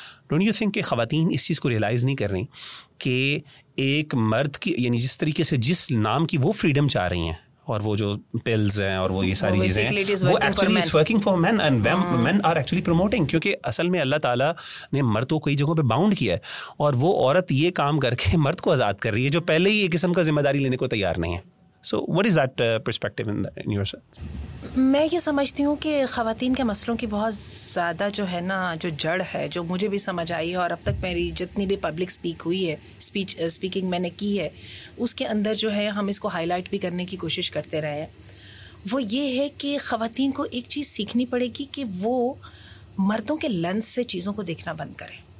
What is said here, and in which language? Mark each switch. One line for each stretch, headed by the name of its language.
English: don't you think
Hindi: कि ख्वातीन इस चीज़ को रियलाइज़ नहीं कर रही कि एक मर्द की, यानी जिस तरीके से जिस नाम की वो फ्रीडम चाह रही हैं और वो जो पिल्स हैं और वो ये सारी चीज़ें हैं, वो actually
English: it's working for man and man are actually promoting,
Hindi: क्योंकि असल में अल्लाह ताला ने मर्द को कई जगहों पे बाउंड किया है, और वो औरत ये काम करके मर्द को आज़ाद कर रही है जो पहले ही एक किस्म का जिम्मेदारी लेने को तैयार नहीं है.
English: So, what is that perspective in your sense?
Hindi: मैं ये समझती हूँ कि ख़वातीन के मसलों की बहुत ज़्यादा जो है ना जो जड़ है, जो मुझे भी समझ आई है और अब तक मेरी जितनी भी पब्लिक स्पीक हुई है, स्पीकिंग मैंने की है, उसके अंदर जो है हम इसको हाईलाइट भी करने की कोशिश करते रहे हैं, वो ये है कि ख़वातीन को एक चीज़ सीखनी पड़ेगी कि वो मर्दों के लेंस से चीज़ों को देखना बंद करें.